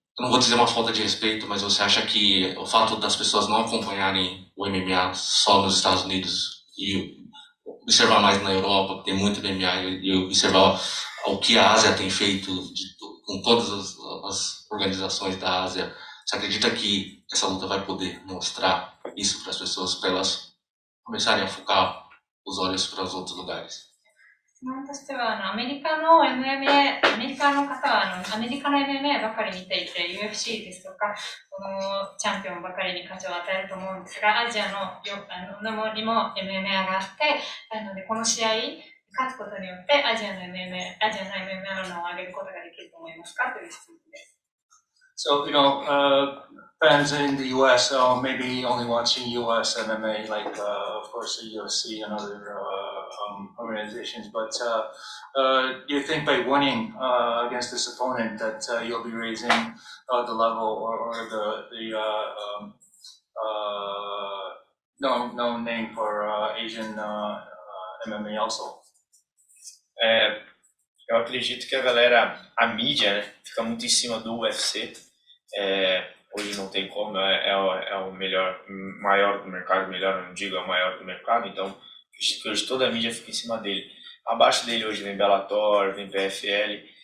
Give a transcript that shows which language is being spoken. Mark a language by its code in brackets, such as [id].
[pt] Eu não vou dizer uma falta de respeito, mas você acha que o fato das pessoas não acompanharem o MMA só nos Estados Unidos e observar mais na Europa, que tem muito MMA, e observar o que a Ásia tem feito com todas as organizações da Ásia, você acredita que essa luta vai poder mostrar isso para as pessoas, para elas começarem a focar os olhos para os outros lugares? [ja] としてはあのアメリカの MMA、アメリカの方はあのアメリカの MMA ばかり見ていて、UFC ですとか、このチャンピオンばかりに価値を与えると思うんですが、アジアの沼にも MMA があって、なので、この試合に勝つことによって、アジアの MMA、アジアの MMA の名を上げることができると思いますかという質問です。 [en] So, you know, fans in the U.S. or maybe only watching U.S. MMA, like of course the UFC and other organizations. But do you think by winning against this opponent that you'll be raising the level or the known name for Asian MMA also? [pt] Eu acredito que a galera, a mídia, né, fica muito em cima do UFC. É, hoje não tem como, é o melhor, maior do mercado, melhor, não digo, é o maior do mercado. Então, hoje toda a mídia fica em cima dele. Abaixo dele hoje vem Bellator, vem PFL.